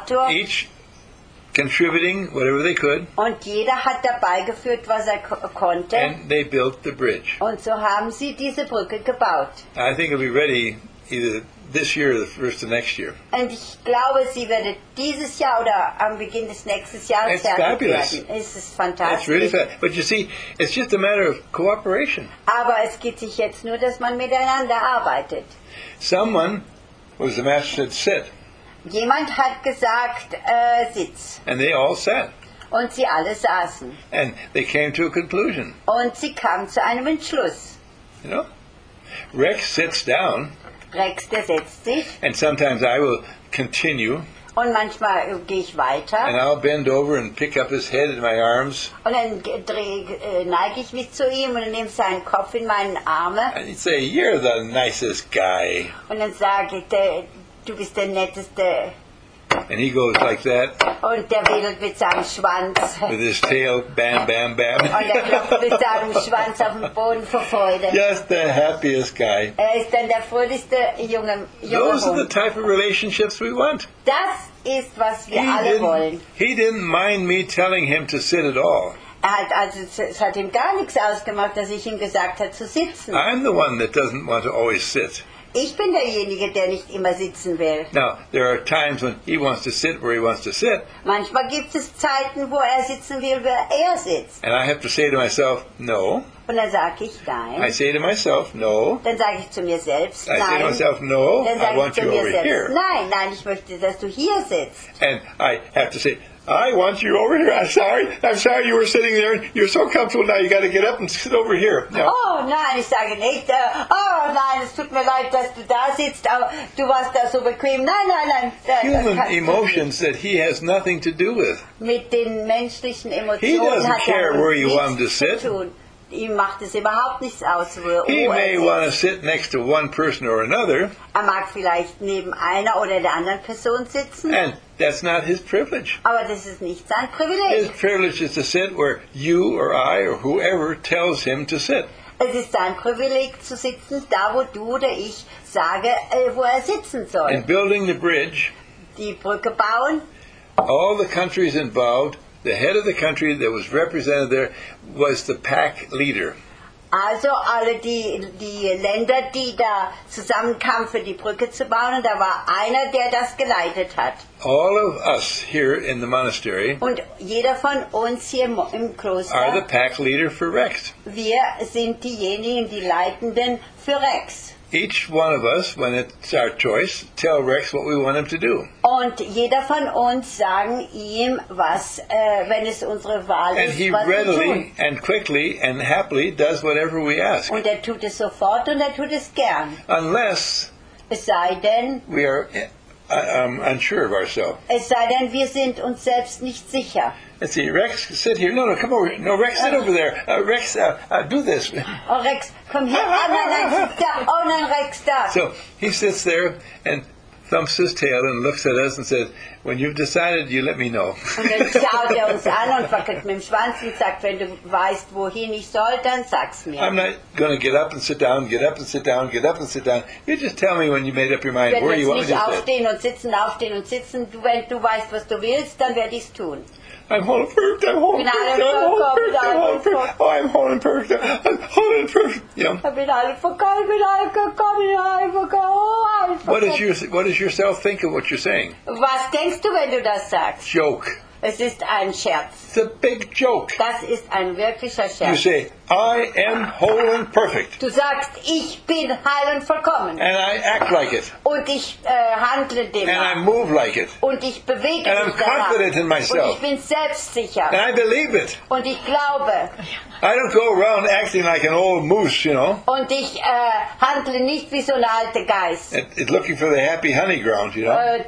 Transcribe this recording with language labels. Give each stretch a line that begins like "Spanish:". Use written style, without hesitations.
English: Each contributing whatever they could.
German: Und jeder hat dabei geführt, was er konnte.
English: And they built the bridge.
German: Und so haben sie diese Brücke gebaut.
English: I think it'll be ready either this year or the first of next year.
German: Und ich glaube, sie wird dieses Jahr oder am Beginn des nächsten Jahres fertig werden.
English: It's fabulous.
German: Es ist fantastisch.
English: It's really fabulous. But you see, it's just a matter of cooperation.
German: Aber es geht sich jetzt nur, dass man miteinander arbeitet.
English: Someone, was the master said, sit.
German: Jemand hat gesagt, sitz.
English: And they all sat.
German: Und sie alle saßen.
English: And they came to a conclusion.
German: Und sie kamen zu einem Entschluss.
English: You know? Rex sits down.
German: Rex, der setzt sich.
English: And sometimes I will continue.
German: Und manchmal gehe ich weiter.
English: And I'll bend over and pick up his head in my arms.
German: Und dann neige ich mich zu ihm und nehme seinen Kopf in meinen Arme.
English: And he'd say, you're the nicest guy.
German: Und dann sage ich, du bist der Netteste.
English: And he goes like that.
German: Und der wedelt mit seinem Schwanz.
English: With his tail, bam, bam, bam.
German: Und er klopft mit seinem Schwanz auf den Boden vor Freude.
English: Just the happiest guy.
German: Er ist dann der fröhlichste junge Mann.
English: Those are the type of relationships we want.
German: Das ist, was wir alle wollen.
English: He didn't mind me telling him to sit at all.
German: Es hat ihm gar nichts ausgemacht, dass ich ihm gesagt habe, zu sitzen.
English: I'm the one that doesn't want to always sit.
German: Ich bin derjenige, der nicht immer sitzen will.
English: Now, there are times when he wants to sit where he wants to sit.
German: Manchmal gibt es Zeiten, wo er sitzen will, wo er sitzt.
English: And I have to say to myself, no.
German: Und dann sage ich, nein.
English: I say to myself, no.
German: Dann sage ich zu mir selbst, nein.
English: I say to myself, no, I want you over here.
German: Nein, nein, ich möchte, dass du hier sitzt.
English: And I have to say, I want you over here. I'm sorry you were sitting there. You're so comfortable now. You got to get up and sit over here. No.
German: Oh, nein, ich sage nicht. Oh, nein, es tut mir leid, dass du da sitzt. Aber du warst da so bequem. Nein, nein, nein.
English: Human emotions that he has nothing to do with.
German: Mit den menschlichen Emotionen
English: he doesn't
German: hat
English: care
German: er
English: where you want him to sit.
German: Ihm macht es überhaupt nichts aus.
English: He may want to sit next to one person or another.
German: Er mag vielleicht neben einer oder der anderen Person sitzen.
English: And that's not his privilege.
German: Aber das ist nicht sein Privileg.
English: His privilege is to sit where you or I or whoever tells him to sit.
German: Es ist sein Privileg zu sitzen, da wo du oder ich sage, wo er sitzen soll.
English: In building the bridge,
German: die Brücke bauen,
English: all the countries involved, the head of the country that was represented there was the PAC leader.
German: Also alle die Länder, die da zusammenkamen, für die Brücke zu bauen, da war einer, der das geleitet hat.
English: All of us here in the monastery.
German: Und jeder von uns hier im Kloster.
English: Are the pack leader for Rex.
German: Wir sind diejenigen, die Leitenden für Rex.
English: Each one of us, when it's our choice, tell Rex what we want him to do.
German: Und jeder von uns sagen ihm, was, wenn es unsere Wahl ist,
English: and he readily and quickly and happily does whatever we ask.
German: Und er tut es sofort und er tut es gern.
English: Unless,
German: es sei denn,
English: we are unsure of ourselves.
German: Es sei denn, wir sind uns selbst nicht sicher.
English: Let's see, Rex, sit here. No, come over. No, Rex, sit over there. Rex, do this.
German: Oh, Rex,
English: come here.
German: Oh, nein,
English: sit
German: da. Oh, nein, Rex, da.
English: So he sits there and thumps his tail and looks at us and says, when you've decided, you let me know.
German: Und dann schaut uns an und wackelt mit dem Schwanz und sagt, wenn du weißt, wohin ich soll, dann sag's mir.
English: I'm not going to get up and sit down, get up and sit down, get up and sit down. You just tell me when you made up your mind, where you want me to sit.
German: Ich werde jetzt nicht aufstehen und sitzen, aufstehen und sitzen. Wenn du weißt, was du willst, dann werde ich's tun.
English: I'm whole and perfect, I'm whole and perfect, I'm whole and perfect, I'm whole and perfect. Oh, I'm whole and perfect, I'm whole and perfect. Yeah. I've been all for God, I've been all for God, I've been all for God, oh, I'm for God. What does yourself think of what you're saying?
German: Was denkst du, wenn du das sagst?
English: Joke.
German: Es ist ein Scherz.
English: It's a big joke.
German: Das ist ein wirklicher Scherz.
English: You say, I am whole and perfect.
German: Du sagst, ich bin heil und vollkommen.
English: And I act like it.
German: Und ich handle dem.
English: And I move like it.
German: Und ich bewege mich danach.
English: And I'm confident in myself.
German: Und ich bin selbstsicher.
English: And I believe it.
German: Und ich glaube.
English: I don't go around acting like an old moose, you know.
German: Und ich handle nicht wie so ein alter Geist.
English: It's looking for the happy honey ground, you know.